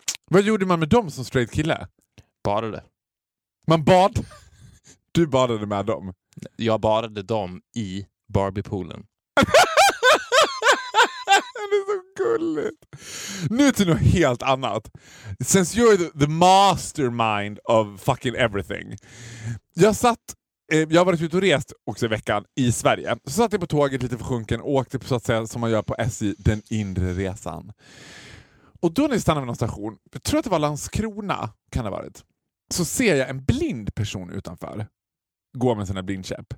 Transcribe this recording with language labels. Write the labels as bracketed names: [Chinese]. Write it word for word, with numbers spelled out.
[Swedish] Vad gjorde man med dem som straight kille? Badade. Man bad. Du badade med dem. Jag badade dem i Barbiepoolen. Det är så gulligt. Nu till något helt annat. [English] Since you're the, the mastermind of fucking everything. [Swedish] Jag satt, eh, jag har varit ute och rest också i veckan i Sverige. Så satt jag på tåget lite försjunken och åkte på så att säga som man gör på S J den inre resan. Och då när vi stannar vid någon station, jag tror att det var Landskrona kan det ha varit, så ser jag en blind person utanför gå med sina blindkäpp.